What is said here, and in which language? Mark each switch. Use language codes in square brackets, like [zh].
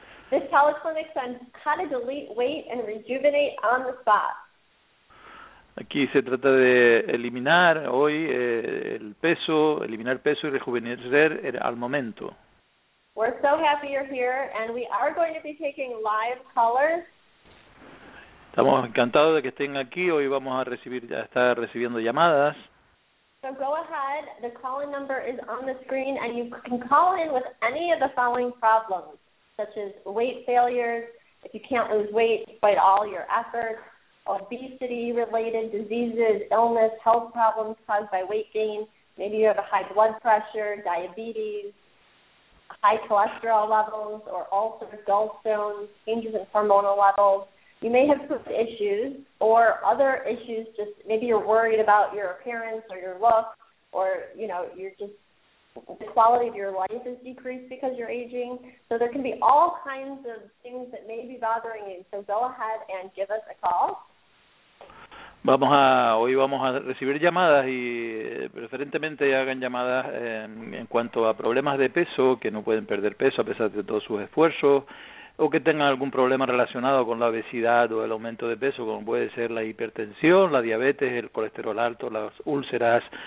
[en] This teleclinic says how to delete weight and rejuvenate on the spot. [es] Aquí se trata de eliminar hoy el peso, eliminar peso y rejuvenecer al momento. [en] We're so happy you're here and we are going to be taking live callers. [es] Estamos encantados de que estén aquí. Hoy vamos a recibir, ya estar recibiendo llamadas. [en] So go ahead. The call-in number is on the screen, and you can call in with any of the following problems, such as weight failures, if you can't lose weight despite all your efforts, obesity-related diseases, illness, health problems caused by weight gain. Maybe you have a high blood pressure, diabetes, high cholesterol levels, or ulcers, gallstones, changes in hormonal levels. You may have food issues or other issues, just maybe you're worried about your appearance or your look, or, you know, you're just, the quality of your life is decreased because you're aging. So there can be all kinds of things that may be bothering you. So go ahead and give us a call. [es] Hoy vamos a recibir llamadas y preferentemente hagan llamadas en cuanto a problemas de peso, que no pueden perder peso a pesar de todos sus esfuerzos, o que tengan algún problema relacionado con la obesidad o el aumento de peso, como puede ser la hipertensión, la diabetes, el colesterol alto, las úlceras,